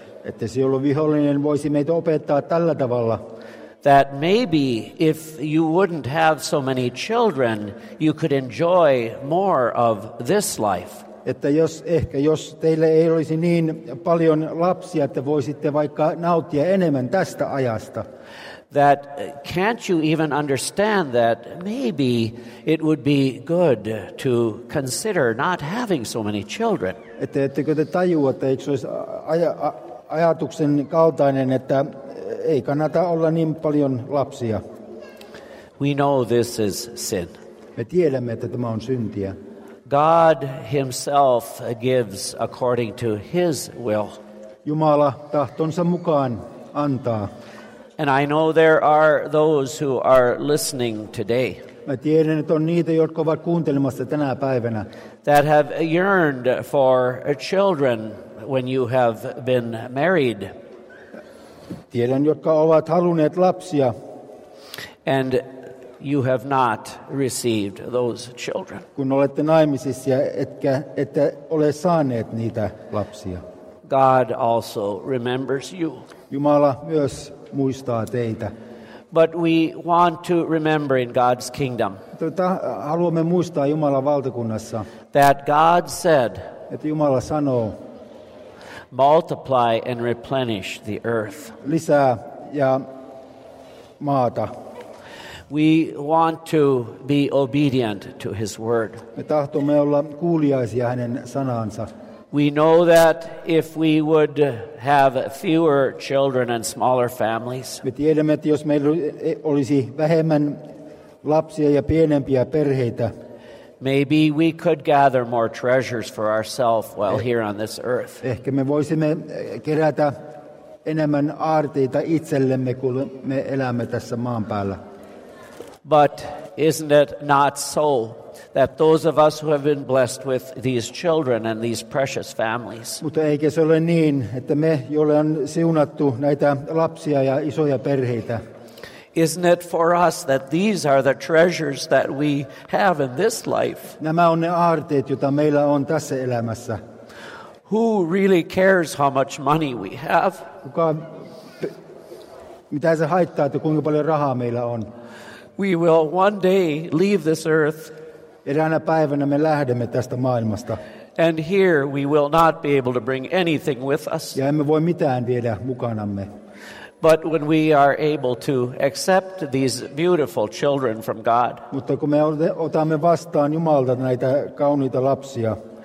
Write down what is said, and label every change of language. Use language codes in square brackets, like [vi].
[fi] että sielun vihollinen voisi meitä opettaa tällä tavalla, [en] that maybe if you wouldn't have so many children, you could enjoy more of this life. [fi] Että jos teille ei olisi niin paljon lapsia, että voisitte vaikka nauttia enemmän tästä ajasta. [en] That can't you even understand that maybe it would be good to consider not having so many children? [fi] Että ettekö te tajua, että eikö olisi ajatuksen kaltainen, että ei kannata olla niin paljon lapsia. [en] We know this is sin. [fi] Me tiedämme, että tämä on syntiä. [en] God himself gives according to his will. [fi] Jumala tahtonsa mukaan antaa. [en] And I know there are those who are listening today. [fi] Mä tiedän, että on niitä, jotka ovat kuuntelemassa tänä päivänä. [en] That have yearned for children when you have been married. [fi] Tiedän, jotka ovat halunneet lapsia. [en] And you have not received those children. [fi] Kun olette naimisissa, ette ole saaneet niitä lapsia. [en] God also remembers you. [fi] Jumala myös muistaa teitä. [en] But we want to remember in God's kingdom. [fi] Haluamme muistaa Jumalan valtakunnassa. [en] That God said. [fi] Että Jumala sanoo. [en] Multiply and replenish the earth. [fi] Lisää ja maata. [en] We want to be obedient to his word. [fi] Me tahtomme olla kuuliaisia hänen sanansa. [en] We know that if we would have fewer children and smaller families. [fi] Me tiedämme, että jos meillä olisi vähemmän lapsia ja pienempiä perheitä. [en] Maybe we could gather more treasures for ourselves while here on this earth. [fi] Ehkä me voisimme kerätä enemmän aarteita itsellemme, kun me elämme tässä maan päällä. [en] But isn't it not so that those of us who have been blessed with these children and these precious families? [fi] Mutta eikö se ole niin, että me, joille on siunattu näitä lapsia ja isoja perheitä, [en] isn't it for us that these are the treasures that we have in this life? [fi] Nämä on ne aarteet, joita meillä on tässä elämässä. [en] Who really cares how much money we have? [fi] Mitä se haittaa, että kuinka paljon rahaa meillä on? [en] We will one day leave this earth. [fi] Eräänä päivänä me lähdemme tästä maailmasta. [en] And here we will not be able to bring anything with us. [fi] Ja emme voi mitään viedä mukanamme. [en] But when we are able to accept these beautiful children from God, [fi] mutta kun me otamme vastaan Jumalta näitä kauniita lapsia,